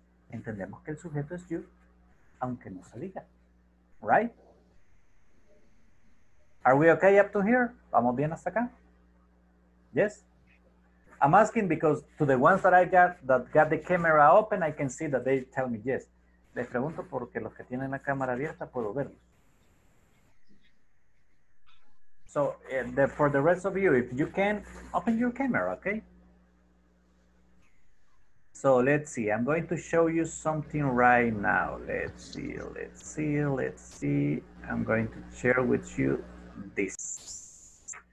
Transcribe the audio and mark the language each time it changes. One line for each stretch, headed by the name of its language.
Spanish: Entendemos que el sujeto es you, aunque no se diga, right?
English: Are we okay up to here?
Spanish: ¿Vamos bien hasta acá?
English: Yes? I'm asking because to the ones that I got, that got the camera open, I can see that they tell me yes.
Spanish: Les pregunto porque los que tienen la cámara abierta puedo verlos.
English: So, for the rest of you, if you can, open your camera, okay? So, let's see. I'm going to show you something right now. Let's see. I'm going to share with you this.